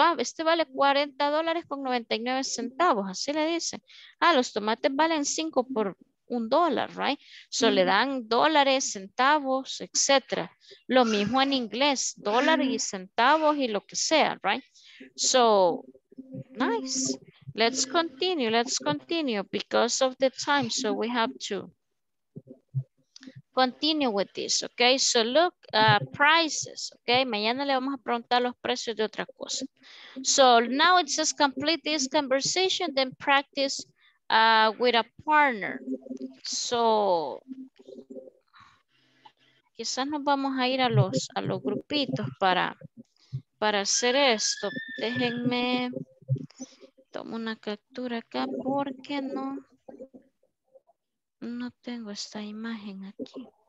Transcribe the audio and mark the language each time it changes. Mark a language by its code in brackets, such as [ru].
[es] Ah, este vale $40.99, así le dicen. Ah, los tomates valen 5 por un dólar, right? So le dan dólares, centavos, etc. Lo mismo en inglés, dólar y centavos y lo que sea, right? [en] So, nice. Let's continue because of the time, so we have to continue with this, okay? So look, prices, okay? [es] Mañana le vamos a preguntar los precios de otra cosa. [en] So now it says complete this conversation, then practice with a partner. [es] So quizás nos vamos a ir a los grupitos para hacer esto. Déjenme tomo una captura acá porque no tengo esta imagen aquí.